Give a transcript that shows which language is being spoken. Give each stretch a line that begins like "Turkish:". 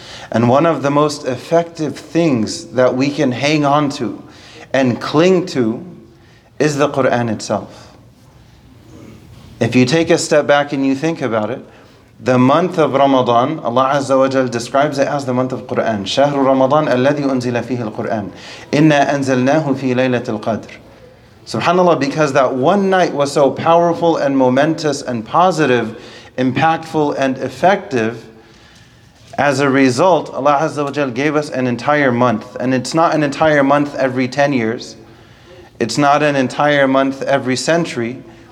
English: And one of the most effective things that we can hang on to and cling to is the Quran itself. If you take a step back and you think about it, the month of Ramadan, Allah Azza wa Jal describes it as the month of Quran.
Arabic: شهر رمضان الذي أنزل فيه القرآن إنا أنزلناه في ليلة القدر.
English: SubhanAllah, because that one night was so powerful and momentous and positive, impactful and effective, as a result, Allah Azza wa Jal gave us an entire month. And it's not an entire month every 10 years. It's not an entire month every century.